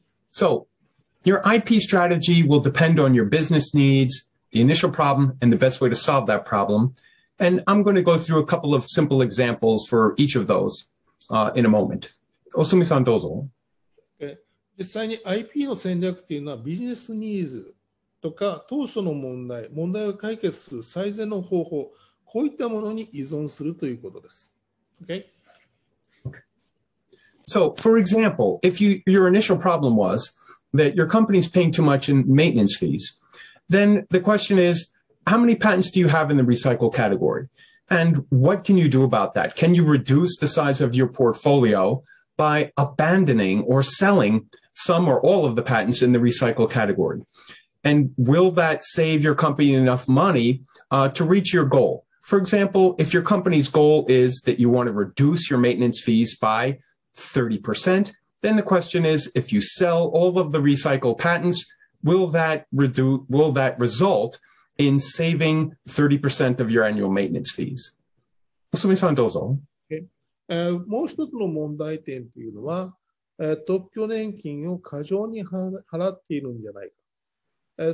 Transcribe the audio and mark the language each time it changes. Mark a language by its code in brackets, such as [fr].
[en] So, your IP strategy will depend on your business needs, the initial problem, and the best way to solve that problem. And I'm going to go through a couple of simple examples for each of those, in a moment. [ja] Osumi-san, dozo. [en] Okay. [ja] 実際に IP の戦略というのはビジネスニーズとか当初の問題、問題を解決する最善の方法、こういったものに依存するということです。 [en] Okay? So, for example, if your initial problem was that your company's paying too much in maintenance fees, then the question is, how many patents do you have in the recycle category? And what can you do about that? Can you reduce the size of your portfolio by abandoning or selling some or all of the patents in the recycle category? And will that save your company enough money, to reach your goal? For example, if your company's goal is that you want to reduce your maintenance fees by 30%, then the question is, if you sell all of the recycled patents, will that result in saving 30% of your annual maintenance fees? [ja] Osumi-san, dozo. [en] Okay. [ja] もう一つの問題点というのは、特許年金を過剰に払っているんじゃないか。